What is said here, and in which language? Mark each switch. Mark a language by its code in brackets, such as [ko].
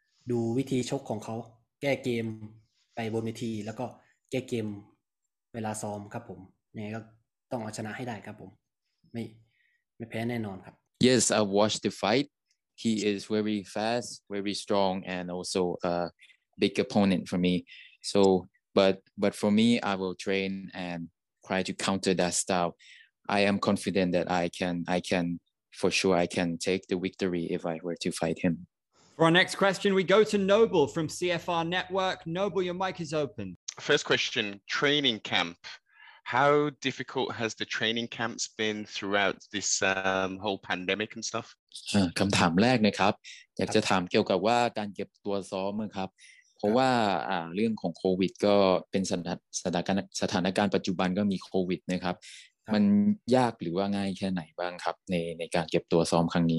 [th] ดูวิธีชกของเขาแก้เกมไปบนเวทีแล้วก็แก้เกมเวลาซ้อมครับผมยังไงก็ต้องเอาชนะให้ได้ครับผมไม่แพ้แน่นอนครับ [en] Yes I watched the fight he is very fast very strong and also a big opponent for me so but for me I will train and try to counter that style I am confident that I can for sure I can take the victory if I were to fight him For our next question we go to Noble from CFR Network Noble your mic is open First question, training camp. How difficult has the training camps been throughout this whole pandemic and stuff? [th] คำถามแรกนะครับอยากจะถามเกี่ยวกับว่าการเก็บตัวซ้อมครับเพราะว่าเรื่องของโควิดก็เป็นสถานการณ์ปัจจุบันก็มีโควิดนะครับมันยากหรือว่าง่ายแค่ไหนบ้างครับในการเก็บตัวซ้อมครั้งนี